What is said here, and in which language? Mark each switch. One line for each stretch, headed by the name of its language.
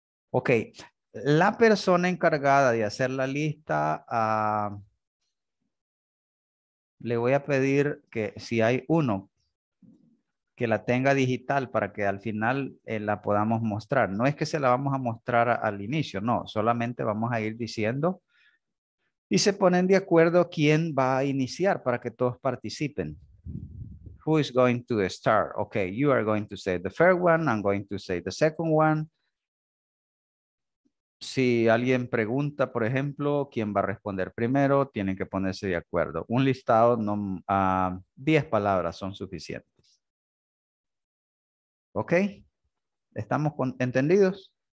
Spanish: Ok. La persona encargada de hacer la lista, le voy a pedir que si hay uno que la tenga digital para que al final la podamos mostrar. No es que se la vamos a mostrar al inicio, no. Solamente vamos a ir diciendo y se ponen de acuerdo quién va a iniciar para que todos participen.
English: Who is going to start? Okay, you are going to say the first one. I'm going to say the second one.
Spanish: si alguien pregunta, por ejemplo, quién va a responder primero, tienen que ponerse de acuerdo. Un listado, 10 palabras son suficientes. ¿Ok? ¿Estamos entendidos?